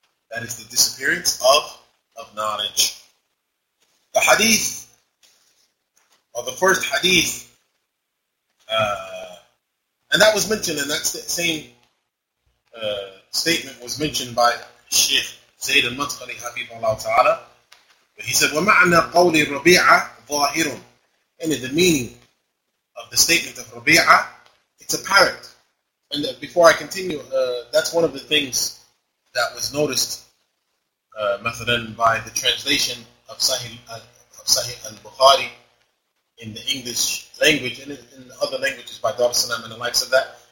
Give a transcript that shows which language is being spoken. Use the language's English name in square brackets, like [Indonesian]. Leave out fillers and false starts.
[English] That is the disappearance of knowledge. The hadith, or the first hadith, and that was mentioned, and that same statement was mentioned by Sheikh Zayd al-Madkhali, Habibullah Ta'ala. He said, [Arabic] وَمَعْنَا قَوْلِ رَبِيعَ ظَاهِرٌ. [English] And in the meaning of the statement of Rabi'a, it's apparent. And before I continue, that's one of the things that was noticed, [Arabic] مثلاً, [English] by the translation of Sahih al-Bukhari in the English language and in other languages by Dar Salam and the likes of that.